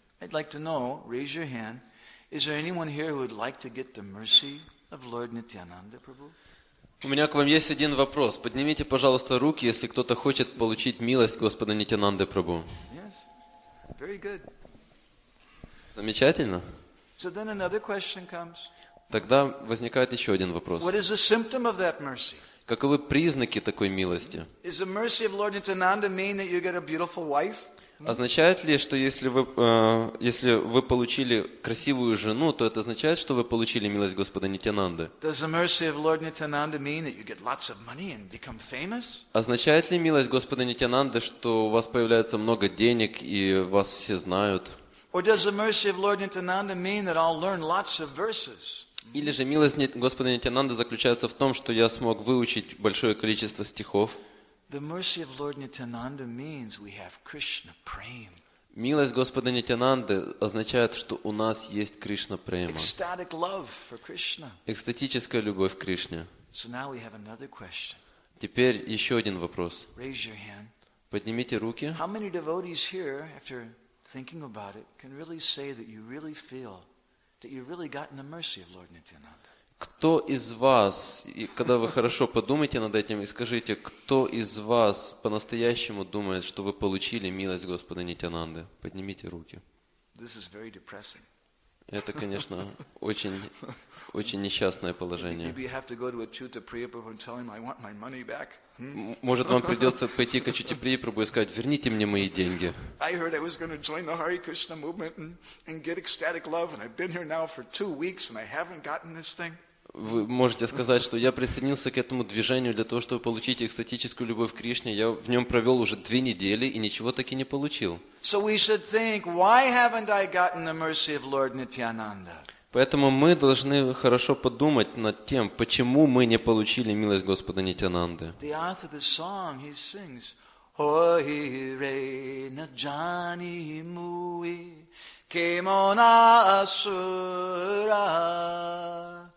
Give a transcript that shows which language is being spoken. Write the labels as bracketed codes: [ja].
[en] I'd like to know, raise your hand, is there anyone here who would like to get the mercy of Lord Nityananda Prabhu? [ru] У меня к вам есть один вопрос. Поднимите, пожалуйста, руки, если кто-то хочет получить милость Господа Нитянанды Прабху. [en] Yes. Very good. [ru] Замечательно. [en] So then another question comes. [ru] Тогда возникает еще один вопрос. [en] What is the symptom of that mercy? [ru] Каковы признаки такой милости? [en] Is the mercy of Lord Nityananda mean that you get a beautiful wife? [ru] Означает ли, что если вы получили красивую жену, то это означает, что вы получили милость Господа Нитянанды? [en] Does the mercy of Lord Nityananda mean that you get lots of money and become famous? [ru] Означает ли милость Господа Нитянанды, что у вас появляется много денег и вас все знают? [en] Or does the mercy of Lord Nityananda mean that I'll learn lots of verses? [ru] Или же милость Господа Нитянанды заключается в том, что я смог выучить большое количество стихов? [en] The mercy of Lord Nityananda means we have Krishna prema. [ru] Милость Господа Нитянанды означает, что у нас есть Кришна према. [en] Ecstatic love for Krishna. [ru] Экстатическая любовь к Кришне. [en] So now we have another question. [ru] Теперь еще один вопрос. [en] Raise your hand. [ru] Поднимите руки. [en] How many devotees here, after thinking about it, can really say that you really feel that you've really gotten the mercy of Lord Nityananda? [ru] Кто из вас, и когда вы хорошо подумаете над этим, и скажите, кто из вас по-настоящему думает, что вы получили милость Господа Нитянанды? Поднимите руки. [en] This is very depressing. [ru] Это, конечно, очень, очень несчастное положение. [en] Maybe you have to go to Achyuta Prabhu and tell him, I want my money back. [ru] Может, вам придется пойти к Ачьюте Прибху и сказать, верните мне мои деньги. [en] I heard I was going to join the Hare Krishna movement and get ecstatic love, and I've been here now for 2 weeks and I haven't gotten this thing. [ru] Вы можете сказать, что я присоединился к этому движению для того, чтобы получить экстатическую любовь к Кришне. Я в нем провел уже 2 недели и ничего так и не получил. [en] So we should think, why haven't I gotten the mercy of Lord Nityananda? [ru] Поэтому мы должны хорошо подумать над тем, почему мы не получили милость Господа Нитянанды. [en] The author of the song, he sings, [bn] Ohi re na jani mui ke mona asura.